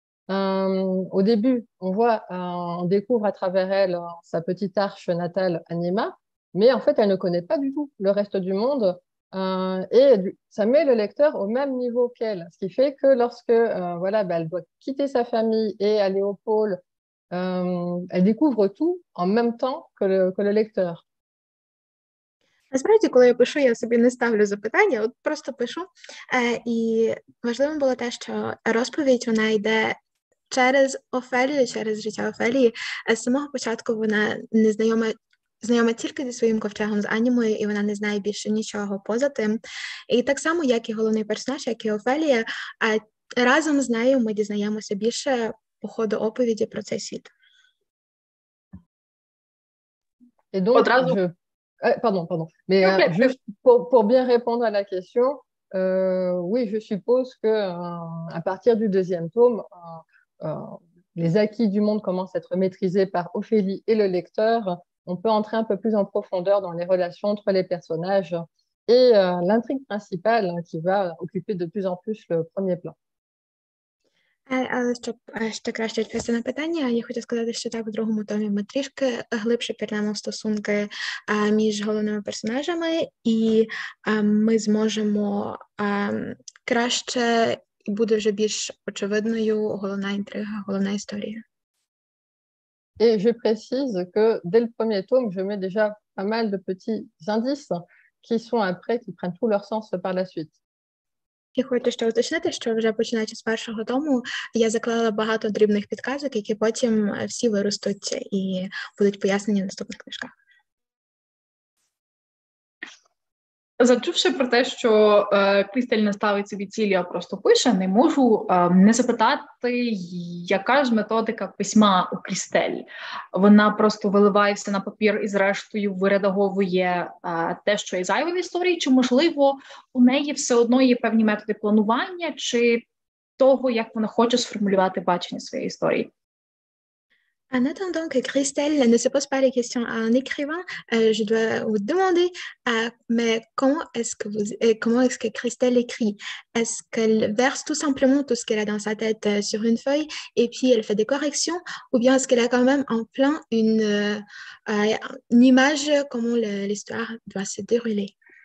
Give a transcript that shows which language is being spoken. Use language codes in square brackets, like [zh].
[fr] Au début, on découvre à travers elle sa petite arche natale, Anima, mais en fait, elle ne connaît pas du tout le reste du monde. Et ça met le lecteur au même niveau qu'elle, ce qui fait que lorsque elle doit quitter sa famille et aller au pôle, elle découvre tout en même temps que le lecteur. [uk] Насправді, коли я пишу, я собі не ставлю запитання, от просто пишу. І важливим було те, що розповідь вона йде через Офелію, через життя Офелії. З самого початку вона не знайома. Знайома тільки зі своїм ковчегом з анімою, і вона не знає більше нічого поза тим. І так само, як і головний персонаж, як і Офелія, а разом з нею ми дізнаємося більше по ходу оповіді про цей світ. І donc, одразу... [fr] pardon. Mais juste pour bien répondre à la question, oui, je suppose que à partir du deuxième tome, les acquis du monde commencent à être maîtrisés par Ophélie et le lecteur. On peut entrer un peu plus en profondeur dans les relations entre les personnages et l'intrigue principale qui va occuper de plus en plus le premier plan. [uk] Але щоб ще краще відповісти на питання, я хочу сказати, що так, у другому томі ми трішки глибше пірнемо в стосунки між головними персонажами, і ми зможемо краще і буде вже більш очевидною головна інтрига, головна історія. [fr] Et je précise que dès le premier tome, je mets déjà pas mal de petits indices qui sont après, qui prennent tout leur sens par la suite. [uk] І хочу ще уточнити, що вже починаючи з першого тому, я заклала багато дрібних підказок, які потім всі виростуть і будуть пояснені в наступних книжках. Зачувши про те, що Крістель не ставить собі цілі, а просто пише, не можу не запитати, яка ж методика письма у Крістель. Вона просто виливається на папір і зрештою виредаговує те, що є зайве в історії, чи, можливо, у неї все одно є певні методи планування, чи того, як вона хоче сформулювати бачення своєї історії. [fr] En attendant que Christelle ne se pose pas les questions à un écrivain, je dois vous demander, mais comment est-ce que Christelle écrit? Est-ce qu'elle verse tout simplement tout ce qu'elle a dans sa tête sur une feuille et puis elle fait des corrections, ou bien est-ce qu'elle a quand même en plein une image comment l'histoire doit se dérouler?